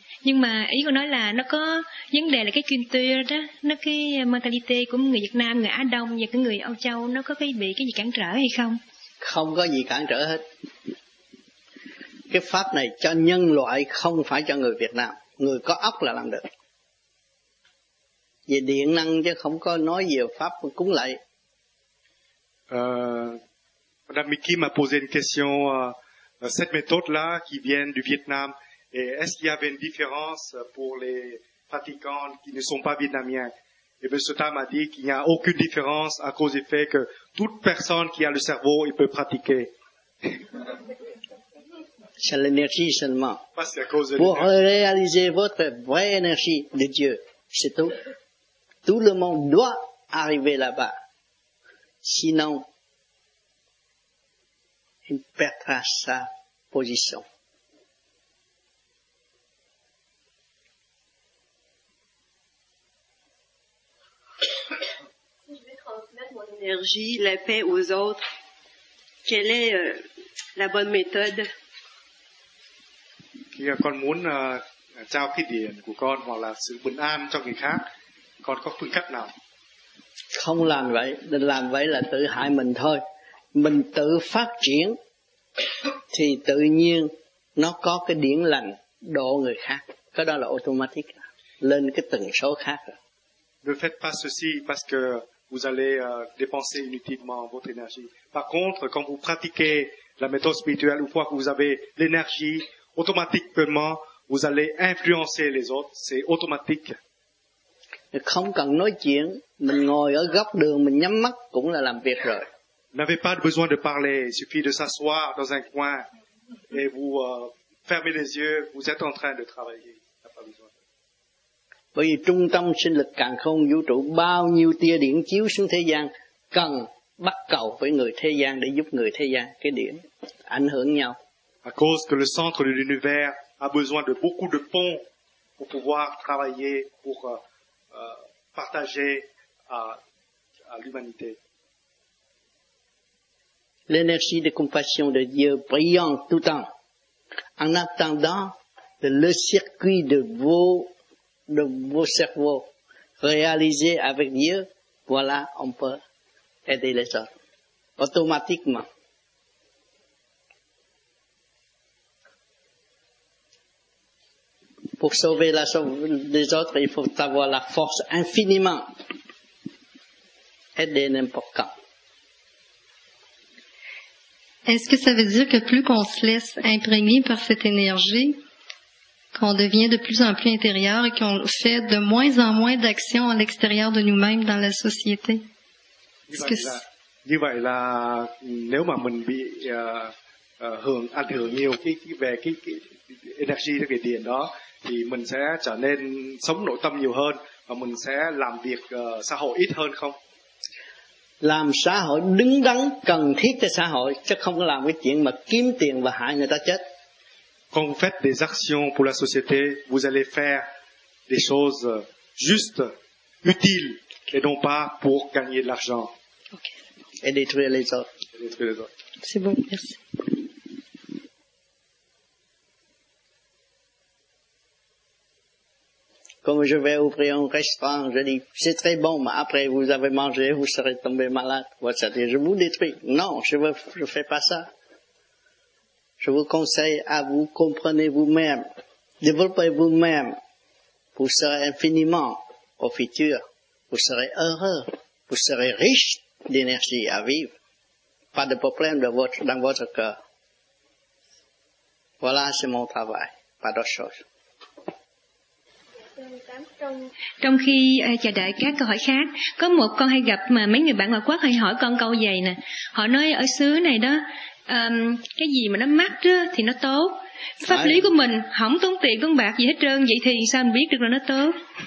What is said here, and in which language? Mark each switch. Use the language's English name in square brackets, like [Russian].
[Vietnamese] Nhưng mà ý con nói là nó có vấn đề là cái chuyên tuyên đó, nó cái mentality của người Việt Nam, người Á Đông và cái người Âu Châu nó có cái bị cái gì cản trở hay không? Không có gì cản trở hết. Cái pháp này cho nhân loại, không phải cho người Việt Nam. Người có óc là làm được. Về điện năng chứ không có nói về pháp cúng lạy. [French] Madame Mickey m'a posé une question. Cette méthode-là qui vient du Vietnam, et est-ce qu'il y avait une différence pour les pratiquants qui ne sont pas vietnamiens? Et bien, ce temps m'a dit qu'il n'y a aucune différence à cause du fait que toute personne qui a le cerveau, il peut pratiquer. C'est l'énergie seulement. Parce qu'à cause de pour l'énergie. Réaliser votre vraie énergie de Dieu, c'est tout. Tout le monde doit arriver là-bas. Sinon, il perdra sa position. Si je vais transmettre mon énergie, la paix aux autres, quelle est la bonne méthode? [Vietnamese] Khi con muốn trao cái điện của con hoặc là sự bình an cho người khác, con có phương cách nào? Không làm vậy, làm vậy là tự hại mình thôi. Mình tự phát triển thì tự nhiên nó có cái điện lành độ người khác. Cái đó là automatic, lên cái tần số khác rồi. [French] Ne faites pas ceci parce que vous allez dépenser inutilement votre énergie. Par contre, quand vous pratiquez la méthode spirituelle, une fois que vous avez l'énergie, automatiquement, vous allez influencer les autres. C'est automatique. [Vietnamese] Không cần nói chuyện, mình ngồi ở góc đường, mình nhắm mắt cũng là làm việc rồi. [French] N'avez pas besoin de parler. Il suffit de s'asseoir dans un coin et vous fermez les yeux. Vous êtes en train de travailler. [Vietnamese] Bởi vì trung tâm sinh lực càn khôn vũ trụ, bao nhiêu tia điện chiếu xuống thế gian, cần bắt cầu với người thế gian để giúp người thế gian, cái điện ảnh hưởng nhau. [French] À cause que le centre de l'univers a besoin de beaucoup de ponts pour pouvoir travailler, pour partager à l'humanité. L'énergie de compassion de Dieu brillant tout le temps, en attendant le circuit de vos cerveaux réalisés avec Dieu, voilà, on peut aider les autres automatiquement. Pour sauver les autres, il faut avoir la force infiniment aider n'importe quand. Est-ce que ça veut dire que plus qu'on se laisse imprégner par cette énergie, qu'on devient de plus en plus intérieur et qu'on fait de moins en moins d'actions à l'extérieur de nous-mêmes dans la société. [Vietnamese] Như vậy là nếu mà mình bị hưởng ảnh hưởng nhiều cái về cái energy cái điện đó thì mình sẽ trở nên sống nội tâm nhiều hơn và mình sẽ làm việc xã hội ít hơn không? Làm xã hội đứng đắn cần thiết cho xã hội chứ không có làm cái chuyện mà kiếm tiền và hại người ta chết. [French] Quand vous faites des actions pour la société, vous allez faire des choses justes, utiles, et non pas pour gagner de l'argent. Okay. Et détruire les autres. Et détruire les autres. C'est bon, merci. Comme je vais ouvrir un restaurant, je dis, c'est très bon, mais après vous avez mangé, vous serez tombé malade. C'est-à-dire, je vous détruis. Non, je fais pas ça. Je vous conseille à vous comprenez vous-même, développez vous-même, vous serez infiniment au futur, vous serez heureux, vous serez riche d'énergie à vivre, pas de problème dans votre cœur. Voilà, c'est mon travail, pas d'autre chose. [Vietnamese] Trong khi chờ đợi các câu hỏi khác, có một con hay gặp mà mấy người bạn ngoại quốc hay hỏi con câu vậy nè. Họ nói ở xứ này đó, cái gì mà nó mắc thì nó tốt. Pháp lý của mình không tốn tiền tốn bạc gì hết trơn, vậy thì sao mình biết được là nó tốt?